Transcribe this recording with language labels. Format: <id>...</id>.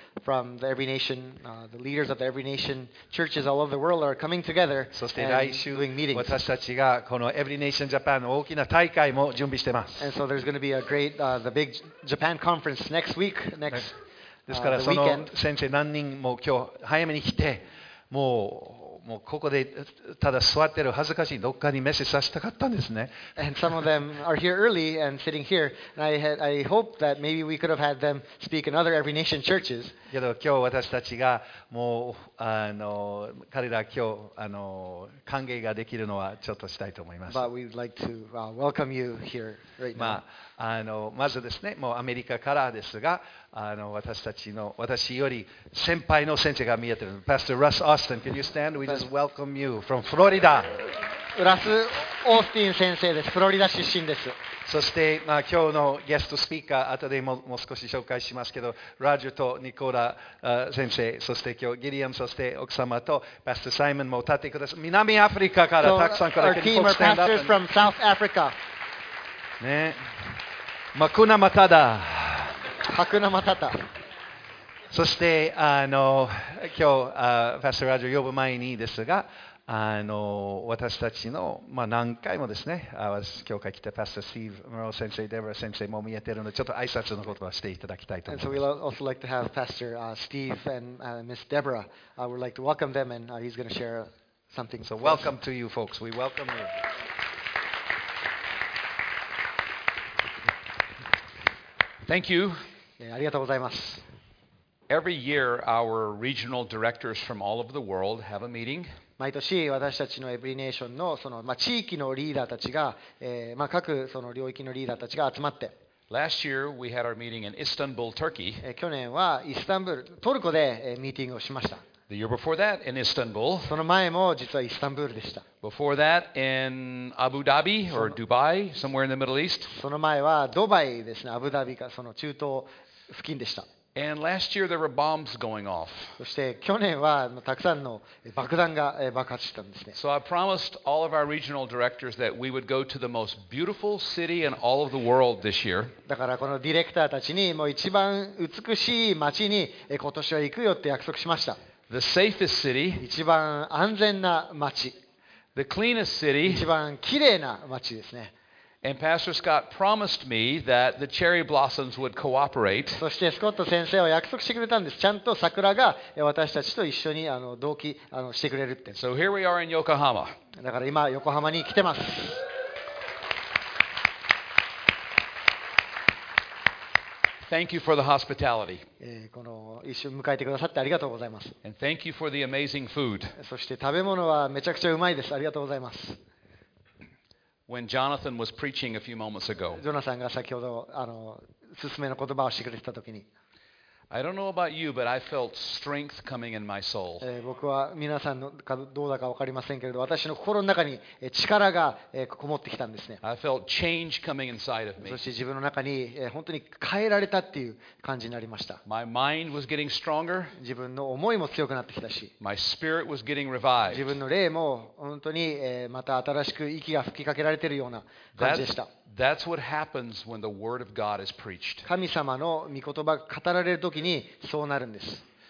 <en>From the Every Nation, the leaders of the Every Nation churches all over the world are coming together and doing meetings.</en> <ja>私たちがこの Every Nation Japan の大きな大会も準備してます。</ja> <en>And so there's going to be a great, the big Japan conference next week, next weekend.</en> <ja>ですからその先生何人も今日早めに来て、もうここでただ座ってる恥ずかしい、どっかにメッセージさせたかったんですね。</ja> <en>And some of them are here early and sitting here. And I hope that maybe we could have had them speak in other Every Nation churches.</en> <ja>けど今日私たちがもう彼ら今日歓迎ができるのはちょっとしたいと思います。</ja> <en>But we'd like to welcome you here right now.</en> <ja>まずですね、もうアメリカからですが、私より先輩の先生が見えてる。</ja> <en>Pastor Russ Austin, can you stand? We just welcome you from Florida.</en> <ja>Russ Austin 先生です。フロリダ出身です。そして、今日のゲストスピーカー、後で もう少し紹介しますけど、ラジュとニコラ先生、そして今日ギリアム、そして奥様とパスターサイモンも立ってください。南アフリカからたくさん来られてます。</ja> <en>Our team are pastors from South Africa.</en> <ja>ね。マクナマタダ。ハクナマタタ。そして今日パスターラジュ呼ぶ前にですが、私たちの、何回もですね、教会来てパスタースティーブ・マロー先生、デブラ先生も見えているので、ちょっと挨拶の言葉をしていただきたいと思います。</ja> <en>And so we'd also like to have Pastor Steve and Miss Deborah. We'd like to welcome them and he's going to share something. So welcome to you folks. We welcome you. Thank you.</en> <ja>Yeah, ありがとうございます。</ja> <en>Every year, our regional directors from all over the world have a meeting.</en> <ja>毎年私たちのエブリネーションの地域のリーダーたちが、各その領域のリーダーたちが集まって、</ja> <en>Last year we had our meeting in Istanbul, Turkey.</en> <ja>去年はイスタンブール、トルコでミーティングをしました。</ja> <en>The year before that in Istanbul.</en> <ja>その前も実はイスタンブールでした。</ja> <en>Before that in Abu Dhabi or Dubai, somewhere in the Middle East.</en> <ja>その前はドバイですね、アブダビかその中東付近でした。</ja> <en>And last year there were bombs going off.</en> <ja>そして去年はたくさんの爆弾が爆発したんですね。</ja> <en>So I promised all of our regional directors that we would go to the most beautiful city in all of the world this year.</en> <ja>だからこのディレクターたちにもう一番美しい町に今年は行くよって約束しました。</ja> <en>The safest city.</en> <ja>一番安全な町。</ja> <en>The cleanest city.</en> <ja>一番きれいな町ですね。</ja> <en>And Pastor Scott promised me that the cherry blossoms would cooperate.</en> <ja>そしてスコット先生は約束してくれたんです。ちゃんと桜が私たちと一緒に同期してくれるって。</ja> <en>So here we are in Yokohama.</en> <ja>だから今横浜に来てます。</ja> <en>Thank you for the hospitality.</en> <ja>この一緒に迎えてくださってありがとうございます。</ja> <en>And thank you for the amazing food.</en> <ja>そして食べ物はめちゃくちゃうまいです。ありがとうございます。</ja> <en>When Jonathan was preaching a few moments ago,</en> <ja>Jonathan が先ほど勧めの言葉をしてくれたときに、</ja> <en>I don't know about you, but I felt strength coming in my soul.</en> <ja>僕は皆さんのかどうだか分かりませんけれど、私の心の中に力がこもってきたんですね。</ja> <en>I felt change coming inside of me.</en> <ja>そして自分の中に本当に変えられたっていう感じになりました。</ja> <en>My mind was getting stronger.</en> <ja>自分の思いも強くなってきたし、</ja> <en>My spirit was getting revived.</en> <ja>自分の霊も本当にまた新しく息が吹きかけられているような感じでした。</ja> <en>That's what happens when the word of God is preached.</en> <ja>神様の御言葉が語られるときにそうなるんです。</ja>